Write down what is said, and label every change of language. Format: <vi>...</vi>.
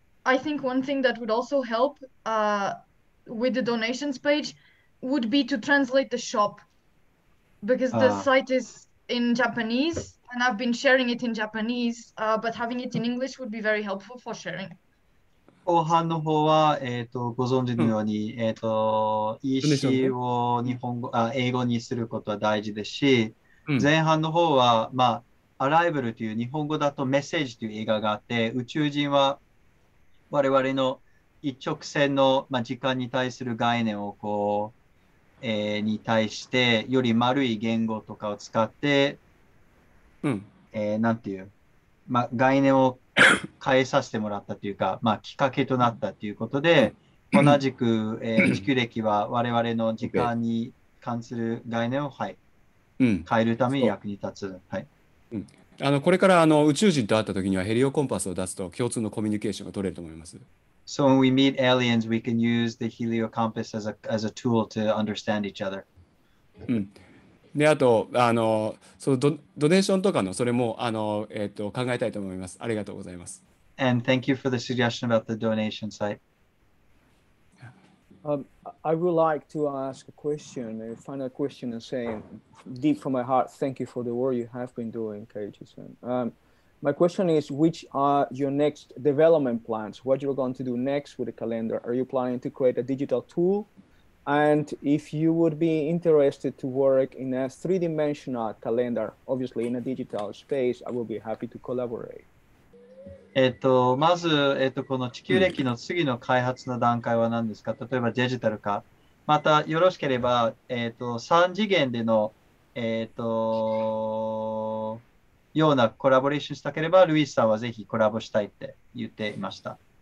<en>I think one thing that would also help with the donations page would be to translate the shop, because the site is in Japanese and I've been sharing it in Japanese, but having it in English would be very helpful for sharing.</en> <ja>後半の方は、ご存知のように、うん、EC を日本語、あ、英語にすることは大事ですし、うん、前半の方は、まあ、アライバルという日本語だとメッセージという映画があって、宇宙人は我々の一直線の、まあ、時間に対する概念をこう、に対して、より丸い言語とかを使って、うん、なんていう、まあ、概念を変えさせてもらったというか、まあ、きっかけとなったということで、同じく、地球歴は我々の時間に関する概念を、はい、変えるために役に立つ。うん、はい、あのこれからあの宇宙人と会った時にはヘリオコンパスを出すと共通のコミュニケーションが取れると思います。</ja> <en>So when we meet aliens, we can use the heliocompass as a tool to understand each other. うん。</en> <ja>で、あと、あの、そのドネーションとかのそれも、あの、考えたいと思います。ありがとうございます。</ja> <en>And thank you for the suggestion about the donation site. I would like to ask a question, a final question, and say deep from my heart, thank you for the work you have been doing, Keiichi-san. My question is, which are your next development plans? What you're going to do next with the calendar? Are you planning to create a digital tool? And if you would be interested to work in a three-dimensional calendar, obviously in a digital space, I will be happy to collaborate.</en> <ja>まず、この地球歴の次の開発の段階は何ですか？例えばデジタル化。またよろしければ、3次元での、ようなコラボレーションしたければ、ルイスさんはぜひコラボしたいって言っていました。</ja>